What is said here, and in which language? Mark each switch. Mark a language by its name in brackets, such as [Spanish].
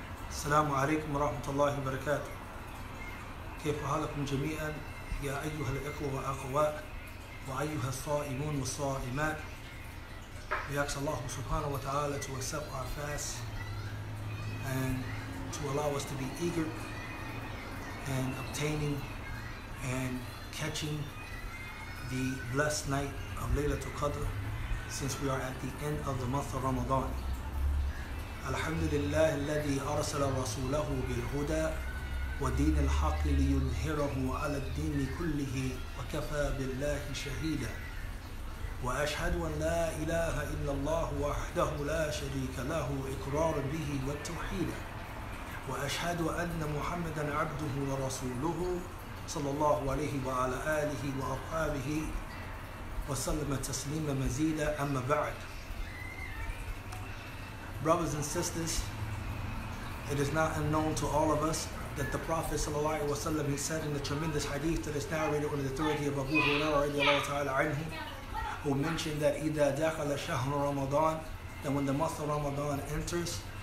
[Arabic] السلام عليكم ورحمة الله وبركاته. كيف حالكم جميعا يا أيها الإخوة والأخوة وأيها الصائمون والصائمات؟ وياكس الله سبحانه وتعالى [English] to accept our fast and to allow us to be eager and obtaining and catching the blessed night of Laylatul Qadr, since we are at the end of the month of Ramadan. [Arabic] الحمد لله الذي أرسل رسوله بالهدى ودين الحق ليظهره على الدين كله وكفى بالله شهيدا وأشهد أن لا إله إلا الله وحده لا شريك له إقرار به والتوحيد وأشهد أن محمدا عبده ورسوله صلى الله عليه وعلى آله وأصحابه وسلم تسليما مزيدا أما بعد. [English] Brothers and sisters, it is not unknown to all of us that the Prophet ﷺ, he said in the tremendous hadith that is narrated on the authority of Abu Hurairah, who mentioned that [Arabic] إِذَا دَخَلَ شَهْرُ رَمَضَانَ, [English] that when the month of Ramadan enters,